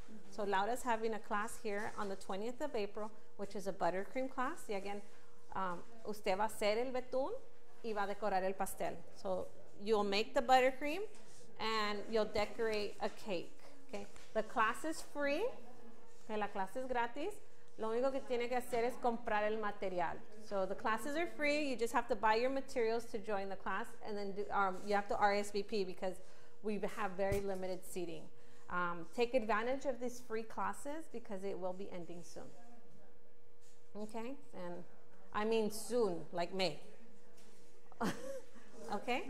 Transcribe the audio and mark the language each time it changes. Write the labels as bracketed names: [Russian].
[English] So Laura's having a class here on the 20th of April, which is a buttercream class. [Spanish] Y again, usted va a hacer el betún y va a decorar el pastel. [English] So you'll make the buttercream and you'll decorate a cake. Okay. The class is free. Okay, [Spanish] la clase es gratis. Lo único que tiene que hacer es comprar el material. [English] So the classes are free. You just have to buy your materials to join the class. And then you have to RSVP because we have very limited seating. Take advantage of these free classes because it will be ending soon. Okay? And I mean soon, like May. Okay?